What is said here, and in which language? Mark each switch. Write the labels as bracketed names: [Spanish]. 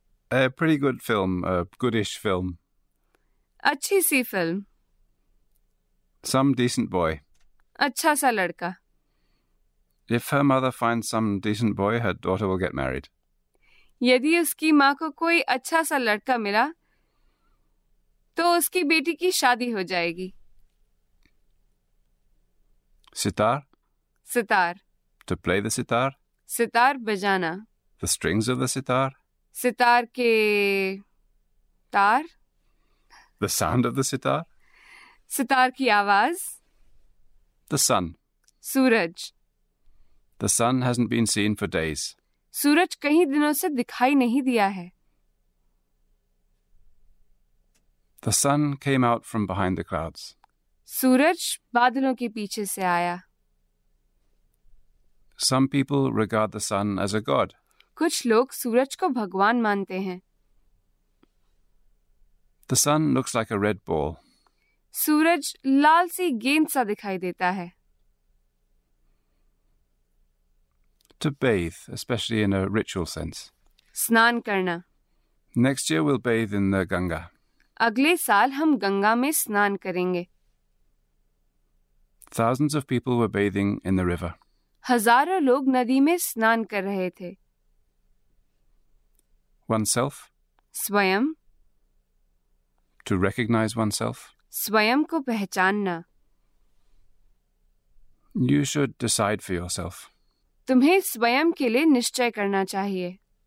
[English] A pretty good film, a goodish film. [Hindi] अच्छी सी film. [English] Some decent boy. [Hindi] अच्छा सा लड़का. [English] If her mother finds some decent boy, her daughter will get married. [Hindi] यदि उसकी माँ को कोई अच्छा सा लड़का मिला तो उसकी बेटी की शादी हो जाएगी. Sitar. Sitar. [English] To play the sitar. [Hindi] Sitar बजाना. [English] The strings of the sitar. [Hindi] Sitar के तार. [English] The sound of the sitar. [Hindi] Sitar की आवाज. [English] The sun. [Hindi] Suraj. [English] The sun hasn't been seen for days. [Hindi] सूरज कई दिनों से दिखाई नहीं दिया है. [English] The sun came out from behind the clouds. [Hindi] सूरज बादलों के पीछे से आया। [English] Some people regard the sun as a god. [Hindi] कुछ लोग सूरज को भगवान मानते हैं। [English] The sun looks like a red ball. [Hindi] Suraj Lal सी गेंद सा दिखाई देता है। [English] To bathe, especially in a ritual sense. [Hindi] स्नान करना। [English] Next year we'll bathe in the Ganga. [Hindi] अगले साल हम गंगा में स्नान करेंगे। [English] Thousands of people were bathing in the river. [Hindi] हजारों लोग नदी में स्नान कर रहे थे। [English] Oneself. [Hindi] स्वयं। [English] To recognize oneself. [Hindi] स्वयं को पहचानना। [English] You should decide for yourself. [Hindi] तुम्हें स्वयं के लिए निश्चय करना चाहिए।